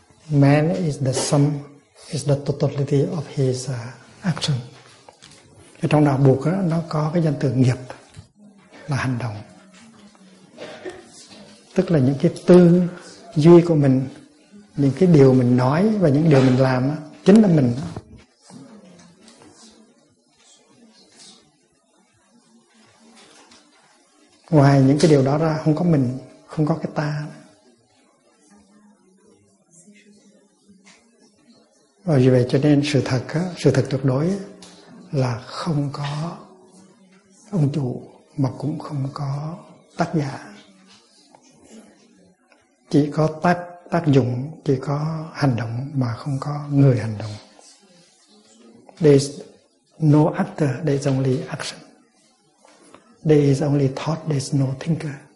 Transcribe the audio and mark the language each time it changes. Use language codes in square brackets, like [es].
[en] Man is the sum, is the totality of his action. [vi] Cái trong đạo buộc đó, nó có cái danh từ nghiệp là hành động. Tức là những cái tư duy của mình, những cái điều mình nói và những điều mình làm đó, chính là mình. Ngoài những cái điều đó ra không có mình, không có cái ta. Và vì vậy cho nên sự thật tuyệt đối là không có ông chủ mà cũng không có tác giả. Chỉ có tác dụng, chỉ có hành động mà không có người hành động. [en] There is no actor, there is only action. There is only thought, there is no thinker.